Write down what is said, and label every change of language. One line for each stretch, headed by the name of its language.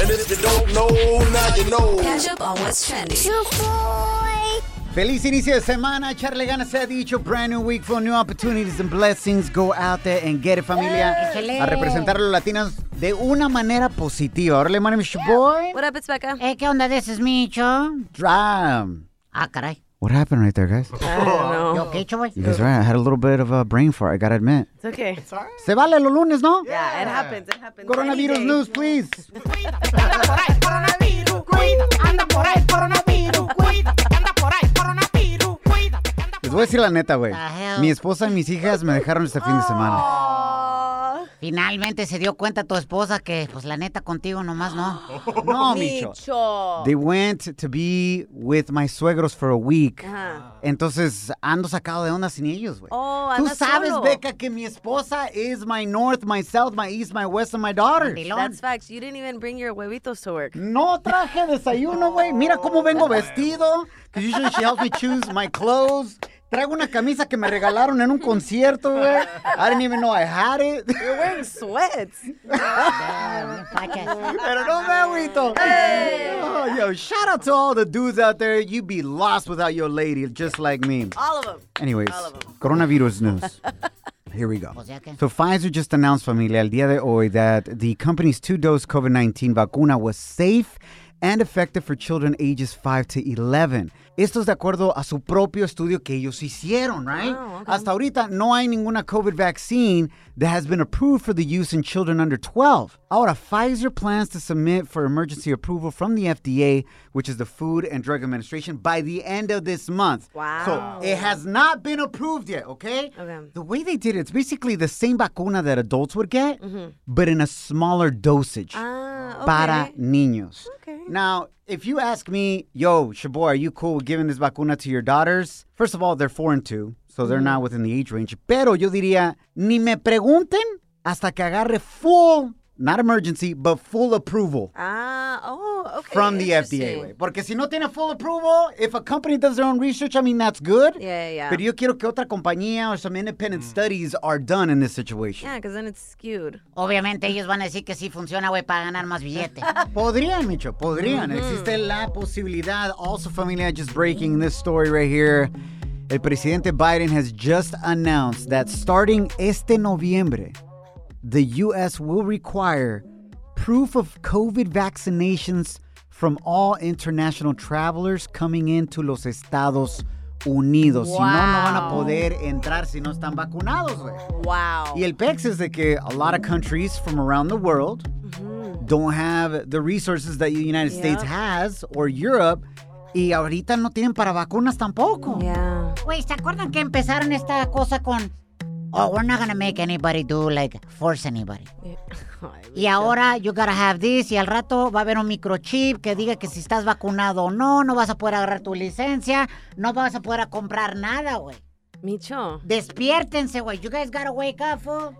English: And if you don't know, now you know. Catch up on what's trending. Your boy.
Spanish: Feliz inicio de semana. Echarle ganas, se ha dicho.
English: Brand new week for new opportunities and blessings. Go out there and get it, familia.
Spanish: Excelente. A representar a los latinos de una manera positiva.
English: Órale, my name is your boy. What up, it's Becca. Hey,
Spanish: ¿qué onda?
English: This is Micho. Dram.
Spanish: Ah, caray.
English: What happened right there, guys? I don't know. You okay, Chavoy? You guys are right. I had a little bit of a brain fart, I gotta admit. It's okay. It's all
Spanish: right. Se vale los lunes, ¿no?
English: Yeah, it happens. It happens. Coronavirus news, please.
Spanish: Anda por ahí, coronavirus. Cuida. Anda por ahí, coronavirus. Cuida. Les voy a decir la neta, güey. Mi esposa y mis hijas me dejaron este fin de semana. Finalmente se dio cuenta tu esposa que, pues, la neta, contigo nomás no. No, Micho.
English: They went to be with my suegros for a week.
Spanish: Uh-huh. Entonces, ando sacado de onda sin ellos, güey. Oh, tú sabes, solo.
English: Becca,
Spanish: que mi esposa
English: is my north, my south, my east, my west, and my daughters. That's facts. You didn't even bring your huevitos to work.
Spanish: No traje desayuno, güey. Mira cómo vengo vestido.
English: Because usually she helps me choose my clothes.
Spanish: Traigo una camisa que me regalaron en un concierto, güey.
English: I didn't even know I had it. You're wearing sweats.
Spanish: Pero no me agüito. Hey.
English: Oh, yo, shout out to all the dudes out there. You'd be lost without your lady, just like me. All of them. Anyways, of them. Coronavirus news. Here we go. So Pfizer just announced, familia,
Spanish: el día de hoy,
English: that the company's two-dose COVID-19 vacuna was safe and effective for children ages 5 to 11.
Spanish: Esto es de acuerdo a su propio estudio que ellos hicieron, right?
English: Oh, okay.
Spanish: Hasta ahorita no hay ninguna
English: COVID vaccine that has been approved for the use in children under 12. Ahora, Pfizer plans to submit for emergency approval from the FDA, which is the Food and Drug Administration, by the end of this month. Wow. So it has not been approved yet, okay? Okay. The way they did it, it's basically the same vacuna that adults would get, mm-hmm. but in a smaller dosage. Okay.
Spanish: Para niños.
English: Okay. Now, if you ask me, yo, Shaboy, are you cool with giving this vacuna to your daughters? First of all, they're 4 and 2, so they're not within the age range.
Spanish: Pero yo diría, ni me pregunten hasta que agarre full,
English: not emergency, but full approval. Okay. From the FDA.
Spanish: Porque si no tiene
English: full approval, if a company does their own research, I mean, that's good. Yeah.
Spanish: Pero yo quiero que otra compañía
English: or some independent studies are done in this situation. Yeah, because then it's skewed.
Spanish: Obviamente ellos van a decir que sí funciona, güey, para ganar más billete. Podrían, Micho, podrían. Mm-hmm. Existe la posibilidad.
English: Also, familia, just breaking this story right here. El presidente Biden has just announced that starting
Spanish: este noviembre,
English: the U.S. will require proof of COVID vaccinations from all international travelers coming into
Spanish: los Estados Unidos.
English: Wow.
Spanish: Si no, no van a poder entrar si no están vacunados, güey.
English: Wow.
Spanish: Y el pex es de que
English: a lot of countries from around the world don't have the resources that the United States has or Europe.
Spanish: Y ahorita no tienen para vacunas tampoco.
English: Yeah.
Spanish: Güey, ¿se acuerdan que empezaron esta cosa con...
English: we're not going to make anybody do, like, force anybody.
Spanish: Oh, y ahora,
English: you got to have this,
Spanish: y al rato va a haber un microchip que diga que si estás vacunado o no, no vas a poder agarrar tu licencia, no vas a poder comprar nada, güey. Micho. Despiértense, güey.
English: You guys got to wake up, fool.